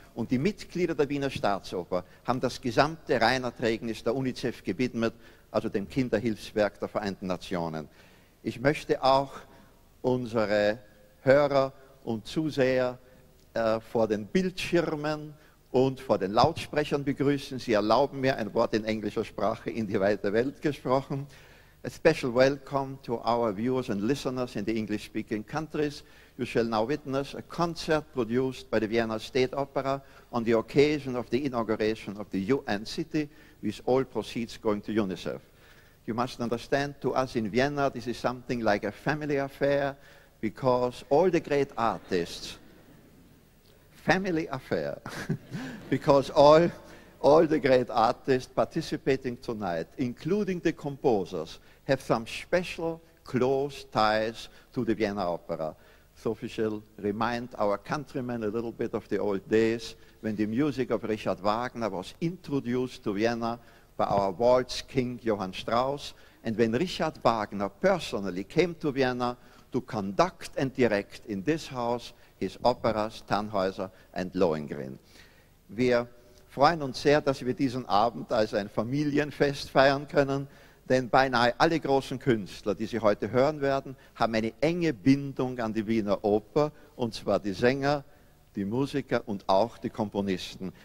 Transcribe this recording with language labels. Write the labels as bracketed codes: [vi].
[de] Und die Mitglieder der Wiener Staatsoper haben das gesamte Reinerträgnis der UNICEF gewidmet, also dem Kinderhilfswerk der Vereinten Nationen. Ich möchte auch unsere Hörer und Zuseher vor den Bildschirmen und vor den Lautsprechern begrüßen. Sie erlauben mir ein Wort in englischer Sprache in die weite Welt gesprochen. [en] A special welcome to our viewers and listeners in the English-speaking countries. You shall now witness a concert produced by the Vienna State Opera on the occasion of the inauguration of the UN City, with all proceeds going to UNICEF. You must understand, to us in Vienna, this is something like a family affair, because all the great artists, family affair, because all the great artists participating tonight, including the composers, have some special close ties to the Vienna Opera. So we shall remind our countrymen a little bit of the old days when the music of Richard Wagner was introduced to Vienna by our waltz king Johann Strauss, and when Richard Wagner personally came to Vienna to conduct and direct in this house his operas Tannhäuser and Lohengrin. [de] Wir freuen uns sehr, dass wir diesen Abend als ein Familienfest feiern können, denn beinahe alle großen Künstler, die Sie heute hören werden, haben eine enge Bindung an die Wiener Oper, und zwar die Sänger, die Musiker und auch die Komponisten.